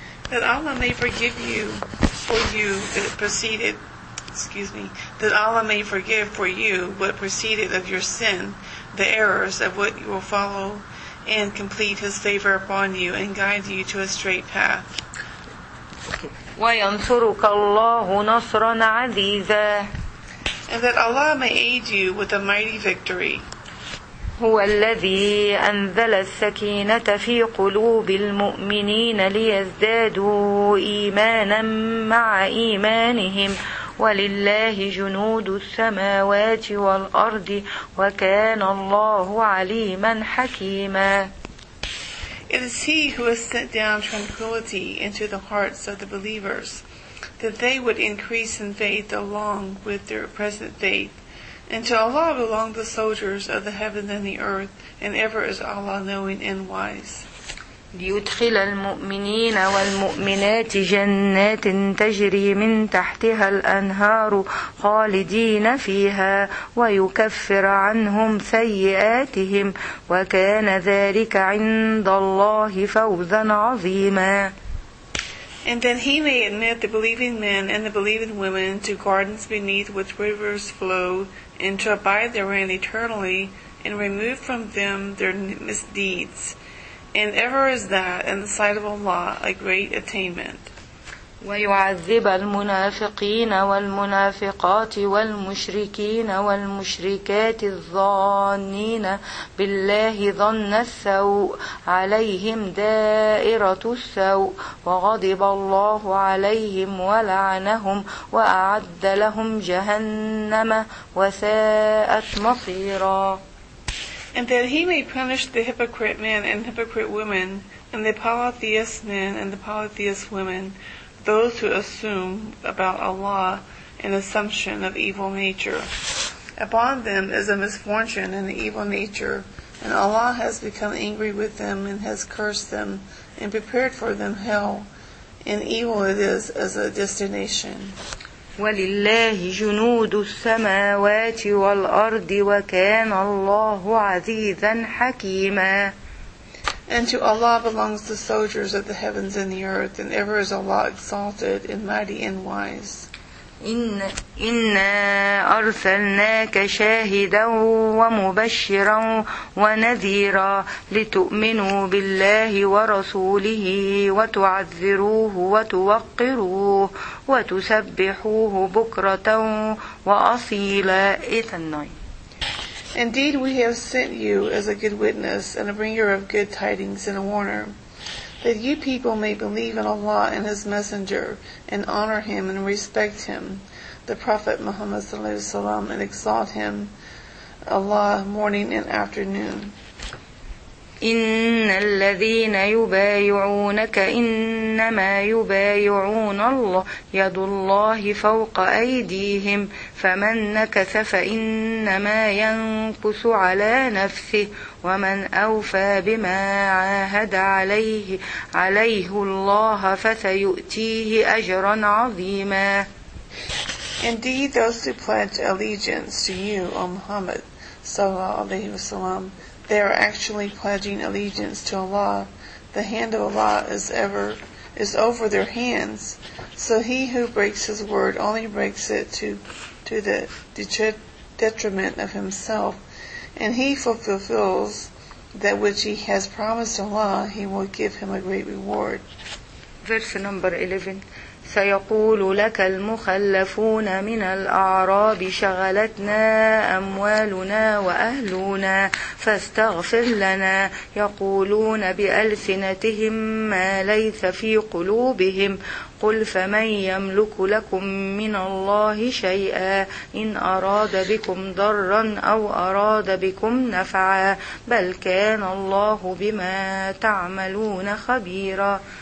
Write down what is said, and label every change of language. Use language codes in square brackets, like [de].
[en] That Allah may forgive you for you that proceeded, excuse me, that Allah may forgive for you what proceeded of your sin, the errors of what you will follow, and complete His favor upon you and guide you to a straight path. [ar] وينصرك الله نصرا عزيزا. [en] And that Allah may aid you with a mighty victory. [ar] هو الذي أنزل السكينة في قلوب المؤمنين ليزدادوا إيمانا مع إيمانهم ولله جنود السماوات والأرض وكان الله عليما حكيما. [en] It is He who has sent down tranquility into the hearts of the believers, that they would increase in faith along with their present faith. And to Allah belong the soldiers of the heaven and the earth, and ever is Allah knowing and wise. [ar] ليدخل المؤمنين والمؤمنات جنات تجري من تحتها الأنهار خالدين فيها ويكفر عنهم سيئاتهم وكان ذلك عند الله فوزا عظيما. [en] And then he may admit the believing men and the believing women to gardens beneath which rivers flow, and to abide therein eternally, and remove from them their misdeeds. And ever is that, in the sight of Allah, a great attainment. [ar] ويعذب المنافقين والمنافقات والمشركين والمشركات الظانين بالله ظن السوء عليهم دائرة السوء وغضب الله عليهم ولعنهم وأعد لهم جهنم وساءت مصيرا. [en] And that he may punish the hypocrite men and hypocrite women, and the polytheist men and the polytheist women, those who assume about Allah an assumption of evil nature. Upon them is a misfortune and an evil nature, and Allah has become angry with them and has cursed them and prepared for them hell, and evil it is as a destination. [ar] ولله جنود السماوات والأرض وكان الله عزيزا حكيما. [en] And to Allah belongs the soldiers of the heavens and the earth, and ever is Allah exalted and mighty and wise. [ar] إِنَّا أَرْسَلْنَاكَ شَاهِدًا وَمُبَشِّرًا وَنَذِيرًا لِتُؤْمِنُوا بِاللَّهِ وَرَسُولِهِ وَتُعَذِّرُوهُ وَتُوَقِّرُوهُ وَتُسَبِّحُوهُ بُكْرَةً وَأَصِيلًا. [en] Indeed, we have sent you as a good witness and a bringer of good tidings and a warner, that you people may believe in Allah and His Messenger and honor Him and respect Him, the Prophet Muhammad [ar] sallallahu alaihi wasallam, [en] and exalt Him, Allah, morning and afternoon. [ar] إن الذين يبايعونك إنما يبايعون الله يد الله فوق أيديهم فمن نكث فإنما ينكس على نفسه ومن أوفى بما عاهد عليه الله فسيؤتيه أجرا عظيما. [en] Indeed, those who pledge allegiance to you, O Muhammad [ar] صلى الله عليه وسلم, [en] they are actually pledging allegiance to Allah. The hand of Allah is over their hands. So he who breaks his word only breaks it to the detriment of himself. And he who fulfills that which he has promised Allah, he will give him a great reward. Verse number 11. [ar] سيقول لك المخلفون من الأعراب شغلتنا أموالنا وأهلنا فاستغفر لنا يقولون بألسنتهم ما ليس في قلوبهم قل فمن يملك لكم من الله شيئا إن أراد بكم ضرا أو أراد بكم نفعا بل كان الله بما تعملون خبيرا.